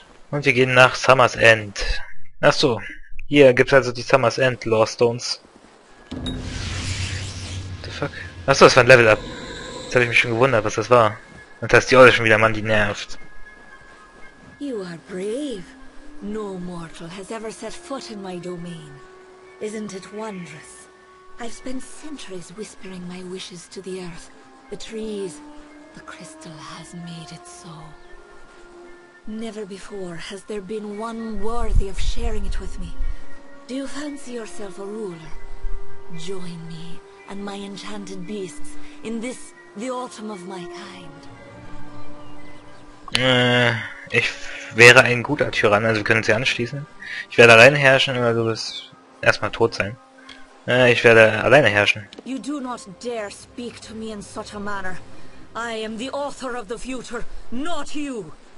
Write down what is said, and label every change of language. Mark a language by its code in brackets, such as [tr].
[de] Und wir gehen nach Summer's End. Achso, hier gibt's also die Summer's End Lore Stones. [en] What the fuck? [de] Achso, das war ein Level Up. Jetzt habe ich mich schon gewundert, was das war. Und da ist die Olle schon wieder, Mann, die nervt. [en] You are brave. No mortal has ever set foot in my domain. Isn't it wondrous? I've spent centuries whispering my wishes to the earth, the trees. The crystal has made it so. Never before has there been one worthy of sharing it with me. Do you fancy yourself a ruler? Join me and my enchanted beasts in this, the autumn of my kind. [de] Ich wäre ein guter Tyrann, also wir können uns ja anschließen. Ich werde allein herrschen, aber du wirst erstmal tot sein. Ich werde alleine herrschen. [en] You do not dare speak to me in such a manner. I am the author of the future, not you.